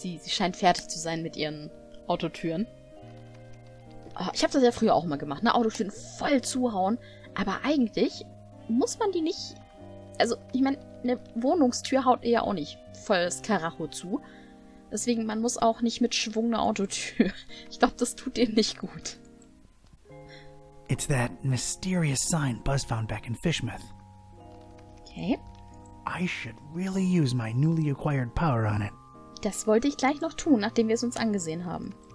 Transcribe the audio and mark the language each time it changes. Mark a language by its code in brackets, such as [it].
[de] Sie scheint fertig zu sein mit ihren Autotüren. Oh, ich habe das ja früher auch mal gemacht, ne? Autotüren voll zuhauen. Aber eigentlich muss man die nicht... Also, ich meine, eine Wohnungstür haut ihr ja auch nicht volles Karacho zu. Deswegen, man muss auch nicht mit Schwung eine Autotür. Ich glaube, das tut denen nicht gut. [en] It's that mysterious sign Buzz found back in Fishmouth. Okay. I should really use my newly acquired power on it. [de] Das wollte ich gleich noch tun, nachdem wir es uns angesehen haben.